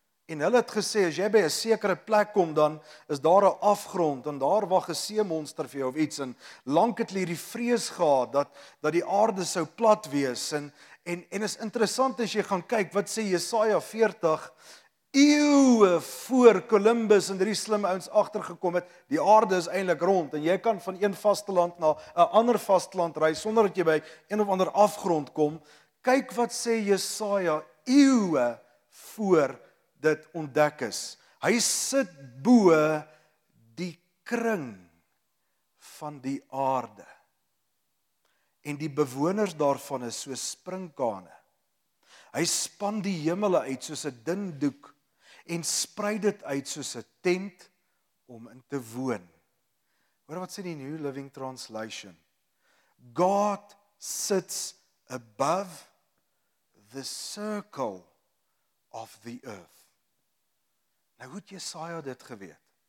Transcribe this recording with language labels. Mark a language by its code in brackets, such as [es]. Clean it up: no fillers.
[af] En hulle het gesê, as jy by 'n sekere plek kom, dan is daar 'n afgrond, en daar wag 'n seemonster vir jou of iets, en lank het hulle die vrees gehad, dat die aarde sou plat wees, en is interessant, as jy gaan kyk, wat sê Jesaja 40, eeuwe voor Columbus en die slim ouens agtergekom het, die aarde is eintlik rond, en jy kan van een vasteland na 'n ander vasteland reis, sonder dat jy by een of ander afgrond kom. Kyk wat sê Jesaja, eeuwe voor dit ontdek is. Hy sit bo die kring van die aarde. En die bewoners daarvan is so sprinkane. Hy span die hemele uit soos 'n dun doek en sprei dit uit soos 'n tent om in te woon. Hoor wat sê die New Living Translation? [en] God sits above the circle of the earth. [af] Nou, hoe het Jesaja dit geweet?